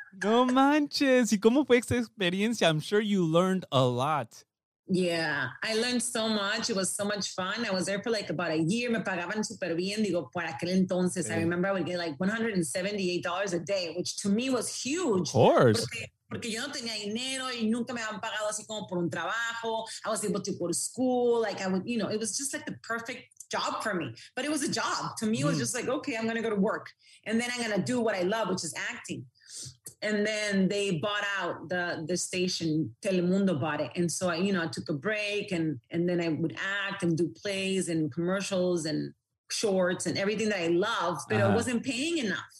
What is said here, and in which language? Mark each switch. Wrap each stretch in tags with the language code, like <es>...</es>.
<es>No manches. ¿Y cómo fue esa experiencia?</es> <en>I'm sure you learned a lot. Yeah, I learned so much. It was so much fun. I was there for like about a year.</en> <es>Me pagaban super bien. Digo, por aquel entonces.</es> <en>Okay. I remember I would get like $178 a day, which to me was huge. Of course.</en> <es>Porque, porque yo no tenía dinero y nunca me habían pagado así como por un trabajo.</es> <en>I was able to go to school, like I would, you know, it was just like the perfect job for me, but it was a job. To me, it was just like, okay, I'm going to go to work and then I'm going to do what I love, which is acting. And then they bought out the station, Telemundo bought it. And so I, you know, I took a break and then I would act and do plays and commercials and shorts and everything that I loved, but it wasn't paying enough.</en>